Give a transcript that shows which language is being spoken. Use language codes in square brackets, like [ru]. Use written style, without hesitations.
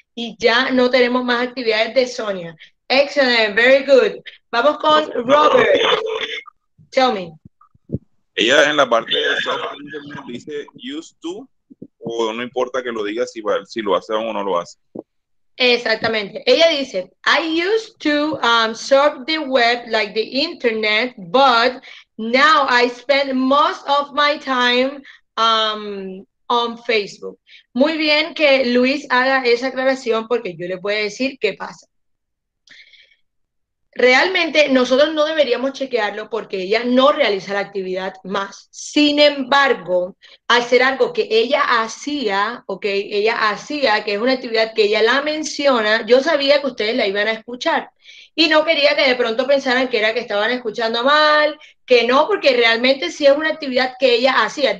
[es] Y ya no tenemos más actividades de Sonia. [en] Excellent, very good. [es] Vamos con Robert. [en] Tell me. [es] Ella en la parte de software dice used to, o no importa que lo diga si lo hace o no lo hace. Exactamente. Ella dice, [en] I used to surf the web like the internet, but now I spend most of my time on Facebook. [es] Muy bien que Luis haga esa aclaración porque yo le voy a decir qué pasa. Realmente nosotros no deberíamos chequearlo porque ella no realiza la actividad más. Sin embargo, al ser algo que ella hacía, ok, ella hacía, que es una actividad que ella la menciona, yo sabía que ustedes la iban a escuchar y no quería que de pronto pensaran que era que estaban escuchando mal, que no, porque realmente sí es una actividad que ella hacía.